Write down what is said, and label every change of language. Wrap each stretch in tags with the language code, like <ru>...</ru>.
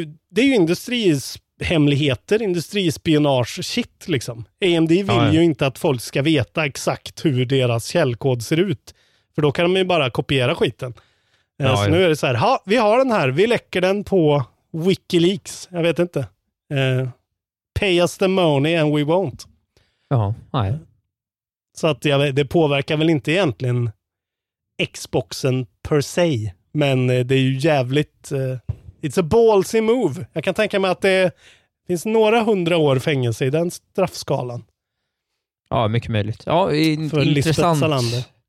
<sv>Det är ju industris hemligheter, industrispionage shit liksom. AMD vill ju inte att folk ska veta exakt hur deras källkod ser ut. För då kan de ju bara kopiera skiten. Så nu är det så här, vi har den här. Vi läcker den på Wikileaks. Jag vet inte.</sv> <en>Pay us the money and we won't.</en> <sv>Ja, nej. Så att det påverkar väl inte egentligen Xboxen per se. Men det är ju jävligt...</sv> <en>it's a ballsy move.</en> <sv>Jag kan tänka mig att det finns några 100 år fängelse i den straffskalan. Ja, mycket möjligt. Ja, intressant. För Lisbeth Salander.</sv>